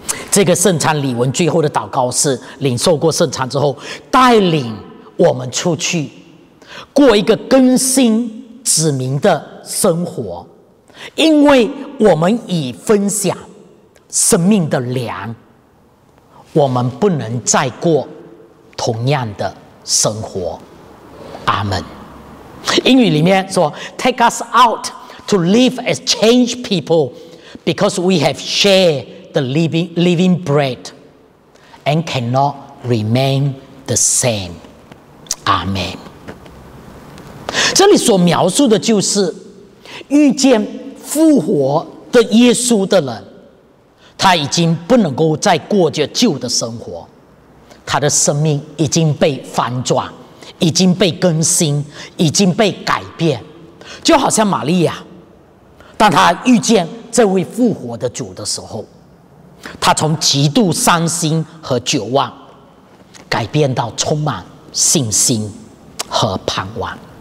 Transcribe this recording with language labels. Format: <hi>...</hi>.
<zh>这个圣餐礼文最后的祷告是：领受过圣餐之后，带领我们出去过一个更新子民的生活，因为我们已分享生命的粮，我们不能再过同样的生活。阿们。英语里面说</zh> <en>take us out to live as changed people because we have shared the living bread and cannot remain the same. Amen.</en> <zh>这里所描述的就是遇见复活的耶稣的人，他已经不能够再过着旧的生活，他的生命已经被翻转，已经被更新，已经被改变，就好像玛利亚，当他遇见这位复活的主的时候，他从极度伤心和绝望，改变到充满信心和盼望。</zh>